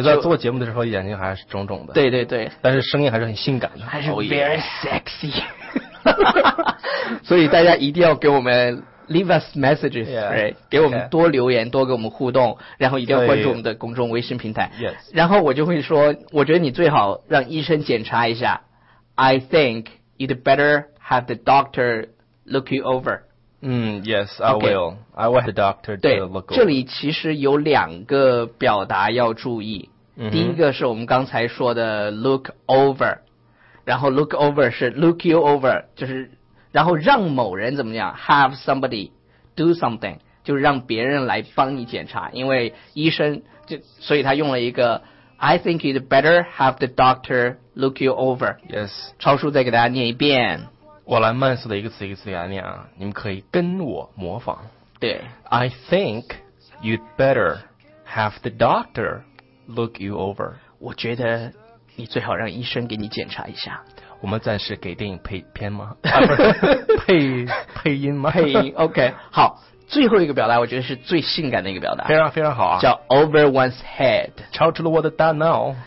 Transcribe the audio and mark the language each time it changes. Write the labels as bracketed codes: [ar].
[zh] 就对，在做节目的时候眼睛还是肿肿的，对对对，但是声音还是很性感的，还是 [en] very sexy， [zh] 所以大家一定要给我们。 [en] Leave us messages, yeah, right? [zh] 给我们多留言， okay. 多给我们互动，然后一定要关注我们的公众微信平台。 [en] Yes. [zh] 然后我就会说，我觉得你最好让医生检查一下。 [en] I think you'd better have the doctor look you over. Yes, I will. Okay. I will have the doctor to look over. [zh] 这里其实有两个表达要注意。 Mm-hmm. 第一个是我们刚才说的 look over，然后 look over 是 look you over， 就是然后让某人怎么样 [en] have somebody do something， [zh] 就是让别人来帮你检查，因为医生就所以他用了一个 [en] I think you'd better have the doctor look you over。 Yes， [zh] 超叔再给大家念一遍，我来慢速的一个词一个词给大家念啊，你们可以跟我模仿。对， [en] I think you'd better have the doctor look you over， [zh] 我觉得你最好让医生给你检查一下。我们暂时给电影配片吗？啊，不是配音吗？配音 ，OK。好，最后一个表达，我觉得是最性感的一个表达，非常非常好啊，叫 over one's head，超出了我的大脑。